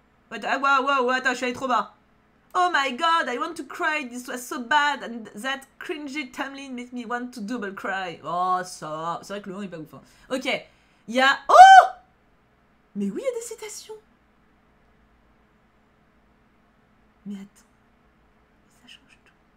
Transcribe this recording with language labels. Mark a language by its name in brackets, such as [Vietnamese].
[French] Waouh, attends, je suis allée trop bas. [English] Oh my god, I want to cry, this was so bad, and that cringy Tamlin made me want to double cry. [French] Oh, ça, c'est vrai que le nom est pas ouf. Hein. Ok, il y a... Oh! Mais oui, il y a des citations. Mais attends, ça change tout.